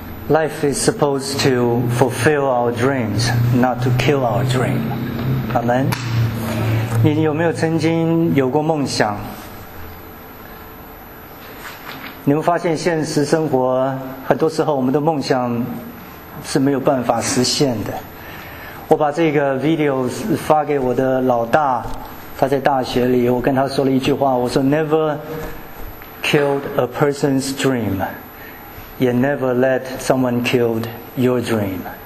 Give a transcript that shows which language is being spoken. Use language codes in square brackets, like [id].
[en] Life is supposed to fulfill our dreams, not to kill our dream. Amen. [zh] 你有没有曾经有过梦想？你会发现现实生活，很多时候我们的梦想是没有办法实现的。我把这个 video 发给我的老大，他在大学里，我跟他说了一句话，我说 [en] Never killed a person's dream. You never let someone kill your dream.